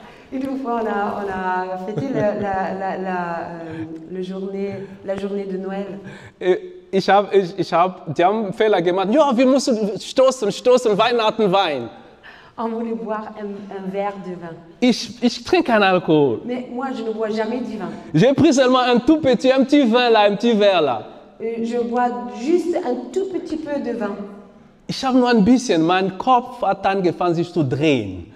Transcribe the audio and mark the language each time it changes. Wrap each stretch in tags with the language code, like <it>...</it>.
<fr>Une fois, on a fêté la journée de Noël.</fr> <de>Ich hab, die haben einen Fehler gemacht. Ja, wir müssen stoßen, Weihnachten, Wein.</de> <fr>On voulait boire un verre de vin.</fr> <de>Ich trinke keinen Alkohol.</de> <fr>Mais moi, je ne bois jamais du vin. J'ai pris seulement un tout petit, un petit vin là, un petit verre là. Je bois juste un tout petit peu de vin.</fr> <de>Ich habe nur ein bisschen, mein Kopf hat angefangen sich zu drehen.</de>